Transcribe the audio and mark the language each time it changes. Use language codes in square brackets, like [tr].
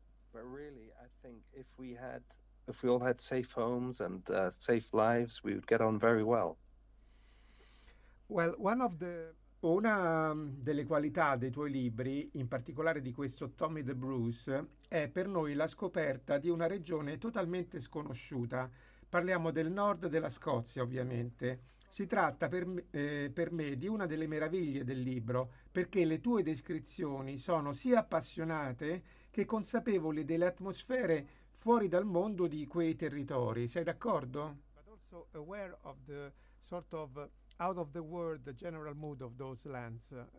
[en] But really, I think if we all had safe homes and safe lives, we would get on very well. [it] Well, una delle qualità dei tuoi libri, in particolare di questo Tommy DeBruce, è per noi la scoperta di una regione totalmente sconosciuta. Parliamo del nord della Scozia, ovviamente. Si tratta per me di una delle meraviglie del libro, perché le tue descrizioni sono sia appassionate che consapevoli delle atmosfere fuori dal mondo di quei territori. Sei d'accordo? [en] But also aware of the sort of out of the world, the general mood of those lands.